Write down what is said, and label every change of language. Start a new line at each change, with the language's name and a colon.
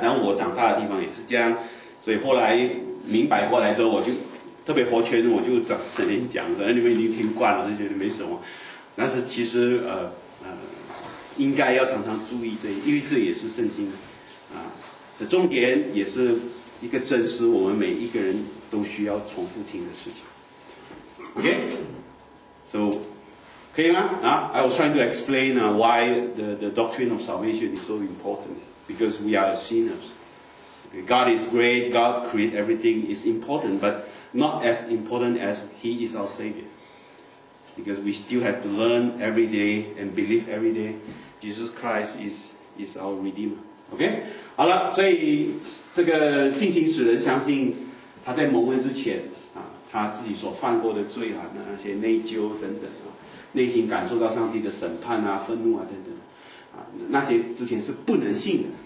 Chinese: 但我长大的地方也是这样，所以后来明白过来之后，我就特别活圈，我就整天讲，可能你们已经听惯了，就觉得没什么。但是其实应该要常常注意这，因为这也是圣经的重点，也是一个真实，我们每一个人都需要重复听的事情。
English: OK， so
Chinese: 可以吗？
English: I was trying to explain why the doctrine of salvation is so important because we are sinners. God is great, God created everything, is important, but not as important as He is our Savior. Because we still have to learn every day and believe every day Jesus Christ is our Redeemer.
Chinese: OK， 好了，所以这个信心使人相信他在蒙恩之前啊，他自己所犯过的罪啊，那些内疚等等啊，内心感受到上帝的审判啊、愤怒啊等等啊，那些之前是不能信的。